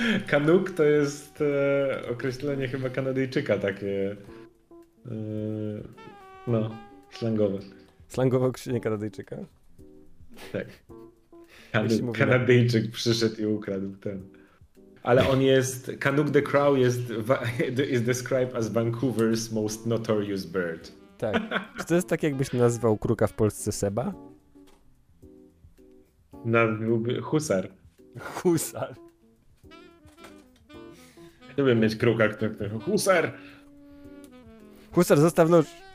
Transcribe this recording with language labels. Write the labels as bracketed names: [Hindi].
[Polish] Canuck to jest określenie chyba Kanadyjczyka, takie no, slangowe. Slangowe określenie Kanadyjczyka? Tak. Kanadyjczyk przyszedł i ukradł ten. Ale on jest, [English] Canuck the Crow is described as Vancouver's most notorious bird. [Polish] Tak. Czy to jest tak, jakbyś nazwał kruka w Polsce Seba? Nazwałby husar. Husar. Chciałbym mieć kruka, który husar! Husar, zostaw nóż!